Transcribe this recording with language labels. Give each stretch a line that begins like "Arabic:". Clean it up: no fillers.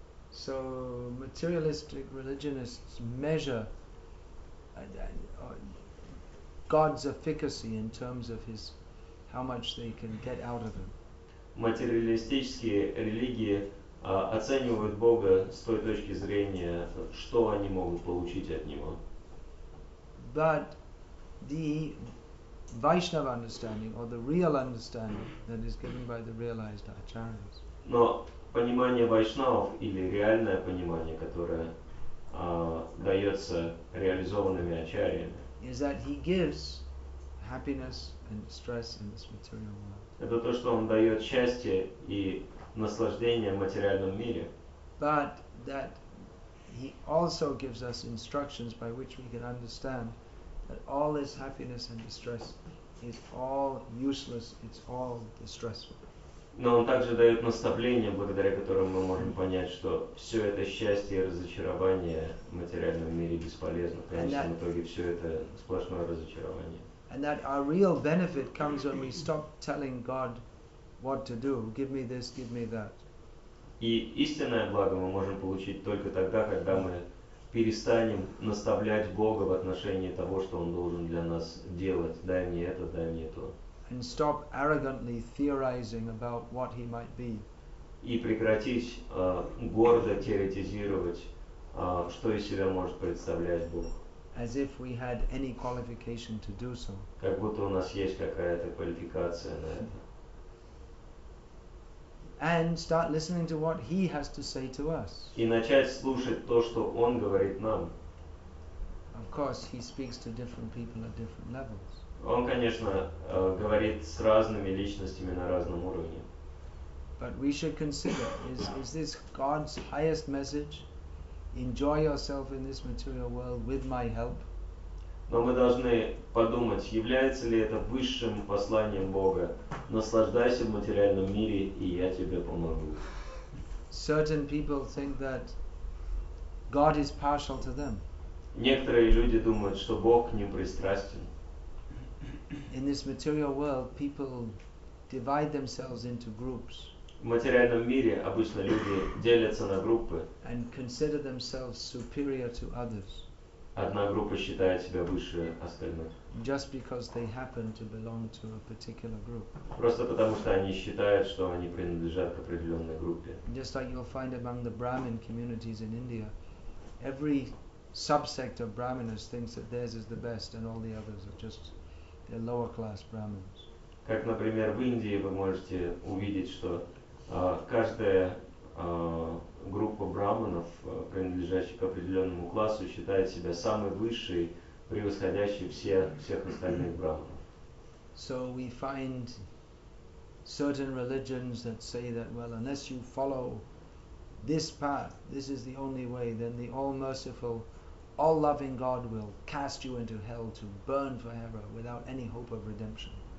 English: So materialistic religionists measure God's efficacy in terms of his how much they can get out of him.
Russian: Материалистические религии оценивают Бога с той точки зрения, что они могут получить от него.
English: But the Vaishnava understanding or the real understanding that is given by the realized acharyas.
Russian: Но понимание вайшнавов или реальное понимание, которое дается реализованными ачарьями,
English: is that he gives happiness and distress in this material world.
Russian: Это то, что он дает счастье и наслаждение в материальном мире.
English: But that he also gives us instructions by which we can understand that all this happiness and distress is all useless, it's all distressful.
Russian: Но он также дает наставление, благодаря которому мы можем понять, что все это счастье и разочарование в материальном мире бесполезно. Конечно, в итоге все это сплошное разочарование.
English: And that our real benefit comes when we stop telling God what to do. Give me this, give me that.
Russian: И истинное благо мы можем получить только тогда, когда мы перестанем наставлять Бога в отношении того, что Он должен для нас делать. Дай мне это, дай мне то.
English: And stop arrogantly theorizing about what he might be.
Russian: И прекратить гордо теоретизировать, что из себя может представлять Бог.
English: As if we had any qualification to do so.
Russian: Как будто у нас есть какая-то квалификация на это.
English: And start listening to what he has to say to us.
Russian: И начать слушать то, что он говорит нам.
English: Of course, he speaks to different people at different levels.
Russian: Он, конечно, говорит с разными личностями на разном уровне.
English: But we should consider, is this God's highest message? Enjoy yourself in this material world with my help.
Russian: Но мы должны подумать, является ли это высшим посланием Бога. Наслаждайся в материальном мире, и я тебе помогу.
English: Certain people think that God is partial to them.
Russian: Некоторые люди думают, что Бог к ним пристрастен.
English: In this material world, people divide themselves into groups.
Russian: В материальном мире обычно люди делятся на группы.
English: And consider themselves superior to others.
Russian: Одна группа считает себя выше остальных.
English: Just because they happen to belong to a particular group.
Russian: Просто потому что они считают, что они принадлежат к определенной группе.
English: Just like you'll find among the Brahmin communities in India, every subsect of Brahminas thinks that theirs is the best, and all the others are just their lower class Brahmins.
Russian: Как, например, в Индии вы можете увидеть, что каждая группа брахманов, принадлежащих к определенному классу, считает себя самой высшей, превосходящей всех остальных брахманов.
English: So we find certain religions that say that, well, unless you follow this path, this is the only way, then the all-merciful, all-loving God will cast you into hell to burn forever without any hope of redemption.